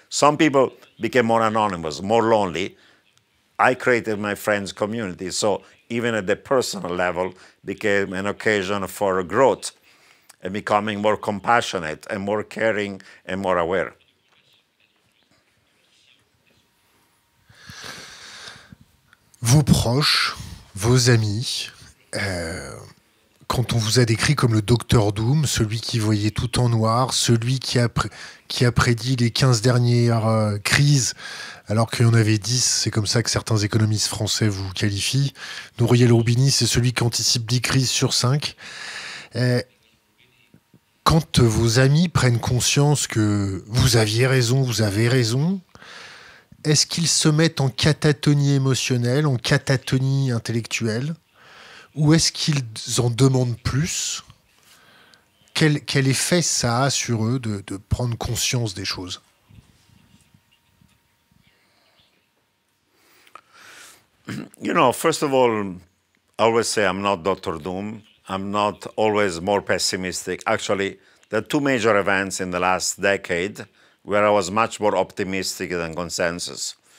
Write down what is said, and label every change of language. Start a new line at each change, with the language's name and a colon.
English: Some people became more anonymous, more lonely. I created my friends' community, so even at the personal level, became an occasion for growth and becoming more compassionate and more caring and more aware.
French: Vos proches, vos amis, quand on vous a décrit comme le docteur Doom, celui qui voyait tout en noir, celui qui a prédit les 15 dernières crises, alors qu'il y en avait 10, c'est comme ça que certains économistes français vous qualifient. Nouriel Roubini, c'est celui qui anticipe 10 crises sur 5. Quand vos amis prennent conscience que vous aviez raison, vous avez raison, est-ce qu'ils se mettent en catatonie émotionnelle, en catatonie intellectuelle? Ou est-ce qu'ils en demandent plus? Quel effet ça a sur eux de prendre conscience des choses?
English: You know, first of all, I always say I'm not Dr. Doom. I'm not always more pessimistic. Actually, there are two major events in the last decade where I was much more optimistic than consensus.